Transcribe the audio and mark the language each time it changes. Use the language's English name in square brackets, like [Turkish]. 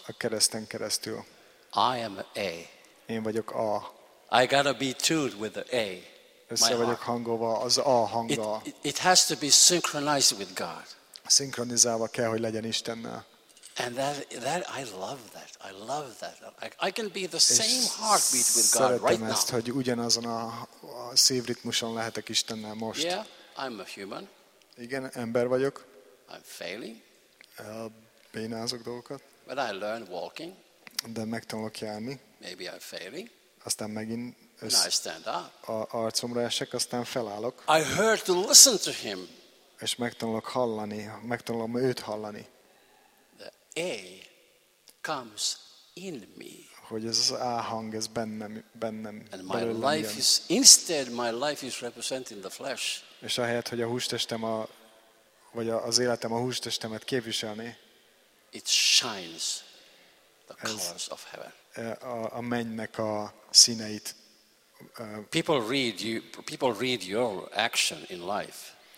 [Hungarian] A kereszten keresztül. [English] I am A. [Hungarian] Én vagyok A. [English] I gotta be tuned with the A. [Hungarian] Össze vagyok hangolva az A hanggal. [English] It has to be synchronized with God. [Hungarian] Szinkronizálva kell, hogy legyen Istennel. [English] And that I love that. I love that. I can be the same heartbeat with God right now. [Hungarian] Szeretem ezt, hogy ugyanazon a szívritmuson lehetek Istennel most. [English] Yeah, I'm a human. [Hungarian] Igen, ember vagyok. [English] I'm failing. [Hungarian] Bénázok dolgokat. [English] But I learned walking. [Hungarian] De megtanulok járni. [English] Maybe I'm failing. [Hungarian] Aztán megint [English] I stand up. [Hungarian] Arcomra esek, aztán felállok. [English] I heard to listen to him. [Hungarian] És megtanulok hallani, megtanulom őt hallani. [English] A comes in me. [Hungarian] Hogy ez az A hang, ez bennem. [English] And my life is instead my life is representing the flesh. [Hungarian] És ahelyett, hogy a hústestem vagy az életem a hústestemet képviselni. [English] It shines the colors of heaven. [Hungarian] A mennynek a színeit. [English] People read your action in life.